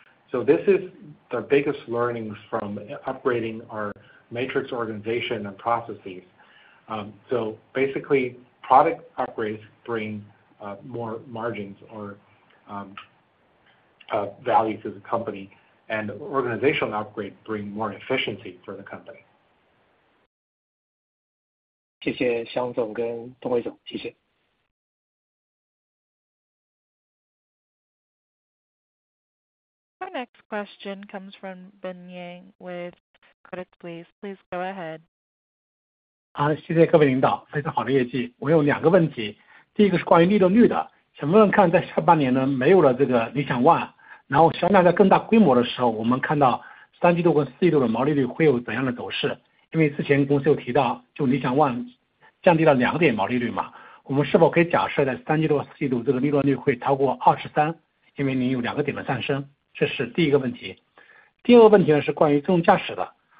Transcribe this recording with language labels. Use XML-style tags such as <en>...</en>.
<en>So this is the biggest learnings from upgrading our matrix organization and processes. So basically, product upgrades bring more margins or value to the company, and organizational upgrades bring more efficiency for the company.</en> <zh>谢谢香总跟东辉总，谢谢。</zh> <en>Our next question comes from Ben Yang with Credit Suisse. Please go ahead.</en> <zh>谢谢各位领导，非常好的业绩。我有两个问题，第一个是关于利润率的，想问问看，在下半年呢，没有了这个理想 One， 然后销量在更大规模的时候，我们看到三季度跟四季度的毛利率会有怎样的走势？因为之前公司有提到，就理想 One 降低了2点毛利率嘛，我们是否可以假设在三季度、四季度这个利润率会超过23？因为您有2个点的上升，这是第一个问题。第二个问题呢是关于自动驾驶的。</zh>